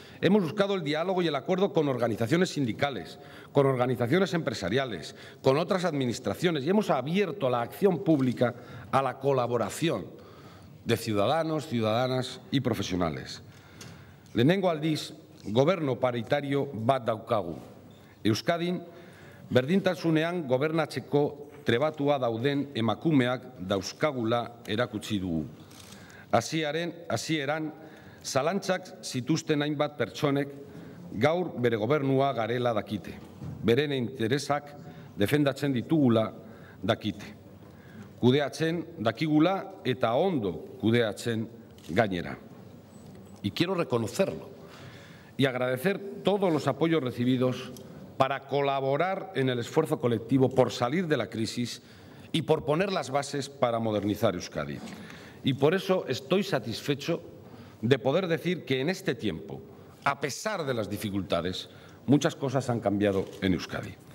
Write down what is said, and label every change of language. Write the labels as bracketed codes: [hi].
[es] Hemos buscado el diálogo y el acuerdo con organizaciones sindicales, con organizaciones empresariales, con otras administraciones y hemos abierto la acción pública a la colaboración de ciudadanos, ciudadanas y profesionales. [eu] Lehenengo aldiz, gobierno paritario bat daukagu. Euskadin, berdintasunean gobernatzeko trebatua dauden emakumeak dauzkagula erakutsi dugu. Hasieran, zalantzak zituzten hainbat pertsonek gaur bere gobernua garela dakite. Beren interesak defendatzen ditugula dakite. Kudeatzen dakigula eta ondo kudeatzen gainera. [es] Y quiero reconocerlo y agradecer todos los apoyos recibidos para colaborar en el esfuerzo colectivo por salir de la crisis y por poner las bases para modernizar Euskadi. Y por eso estoy satisfecho de poder decir que en este tiempo, a pesar de las dificultades, muchas cosas han cambiado en Euskadi.